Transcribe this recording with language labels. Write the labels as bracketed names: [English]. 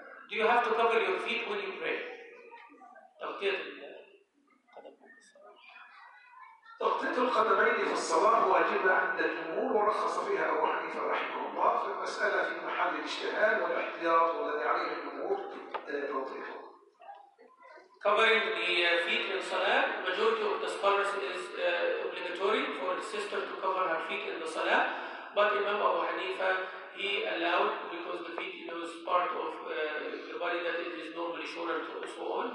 [English] Do you have to cover your feet when you pray? [Arabic] تغطيه القدمين في الصلاة واجبة عند الجمهور، ورخص فيها أبو حنيفة رحمه الله. في المسألة في محل الاجتهاد والاحتياط والذي عليه الجمهور تغطيه. [English] Covering the feet in salah, majority of the scholars is obligatory for the sister to cover her feet in the salah. But Imam Abu Hanifa, he allowed, because the feet, you know, is part of the body that it is normally shown and so on.